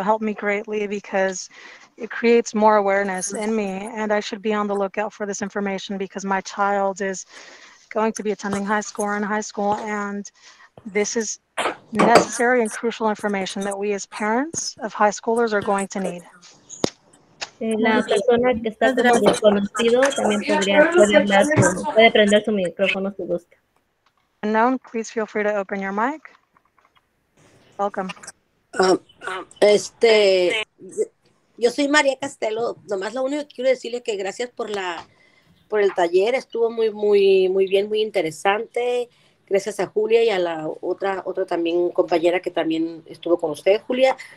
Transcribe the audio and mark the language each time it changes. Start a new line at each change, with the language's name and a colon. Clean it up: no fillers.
English: It helped me greatly because it creates more awareness in me, and I should be on the lookout for this information because my child is going to be attending high school in high school, and this is necessary and crucial information that we as parents of high schoolers are going to need.
Spanish: La persona que está como desconocido también podría hablar, puede prender su micrófono si gusta.
English: Unknown, please feel free to open your mic. Welcome.
Spanish: Yo soy María Castelo, nomás lo único que quiero decirle es que gracias por el taller, estuvo muy, muy, muy bien, muy interesante. Gracias a Julia y a la otra también compañera que también estuvo con usted, Julia.